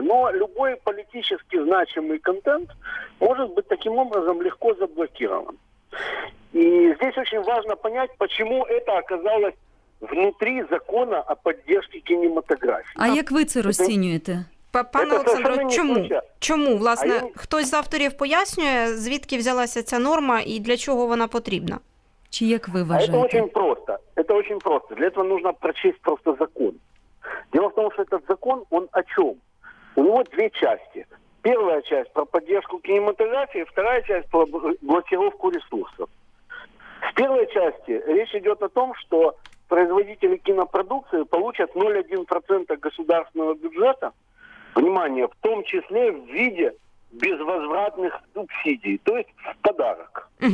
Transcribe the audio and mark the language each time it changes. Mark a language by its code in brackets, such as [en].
[ru] Но любой политически значимый контент может быть таким образом легко заблокирован. И здесь очень важно понять, почему это оказалось внутри закона о поддержке кинематографии. А как вы это расцениваете? [uk] Пане Олександре, чому? Чому, власне, хтось з авторів пояснює, звідки взялася ця норма і для чого вона потрібна? Чи як ви вважаєте? [ru] Это очень просто. Для этого нужно прочесть просто закон. Дело в том, что этот закон, он о чем? У него две части. Первая часть про поддержку кинематографии, вторая часть про блокировку ресурсов. В первой части речь идет о том, что производители кинопродукции получат 0,1% государственного бюджета, внимание, в том числе в виде безвозвратных субсидий, то есть в подарок.